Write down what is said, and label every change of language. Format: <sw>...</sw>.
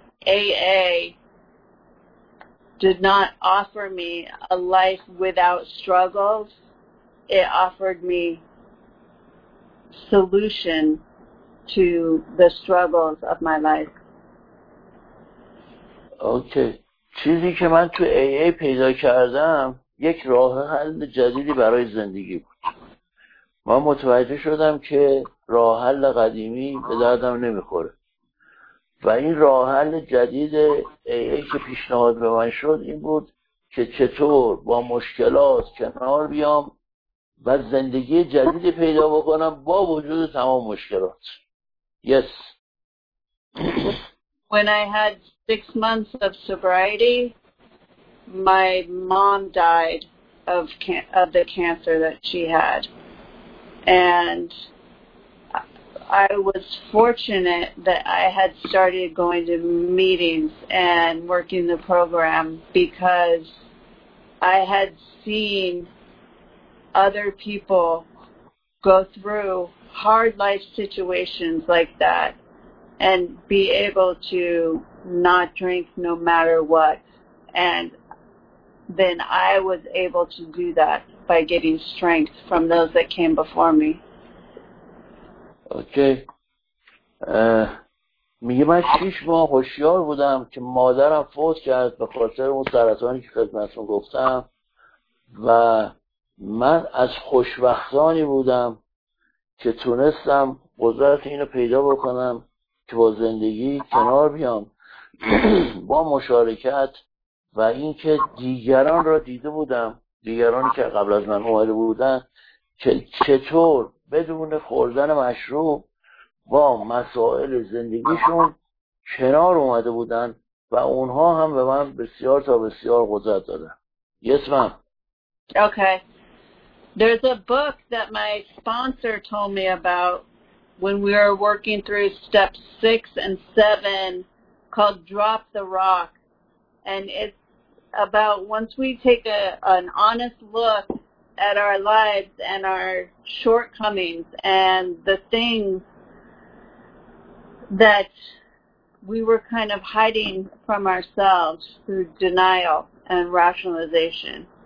<en>AA did not offer me a life without struggles. It offered me solution to the struggles of my life. Okay.</en> <fa>چیزی که من تو AA پیدا کردم یک راه حل جدیدی برای زندگی بود. من متوجه شدم که راه حل قدیمی به دردم نمیخوره. و این راه حل جدید AA که پیشنهاد به من شد این بود که چطور با مشکلات کنار بیام و زندگی جدیدی پیدا بکنم با وجود تمام مشکلات.</fa> <en>Yes. When I had 6 months of sobriety, my mom died of the cancer that she had. And I was fortunate that I had started going to meetings and working the program because I had seen other people go through hard life situations like that and be able to not drink no matter what. And then I was able to do that by getting strength from those that came before me. Okay.</en> <fa>میگه من 6 ماه هوشیار بودم که مادرم فوت کرد به خاطر اون سرطانی که خدمتتون گفتم و من از خوشبختانی بودم که تونستم قدرت اینو پیدا بکنم که با زندگی کنار بیام با مشارکت و اینکه دیگران را دیده بودم، دیگرانی که قبل از من اومده بودن که چطور بدون خوردن مشروب با مسائل زندگیشون کنار اومده بودن و اونها هم به من بسیار تا بسیار قدرت دادن.</fa> <en>Yes, ma'am. Okay. There's a book that my sponsor told me about when we were working through steps 6 and 7 called Drop the Rock. And it's about once we take an honest look at our lives and our shortcomings and the things that we were kind of hiding from ourselves through denial and rationalization.</en>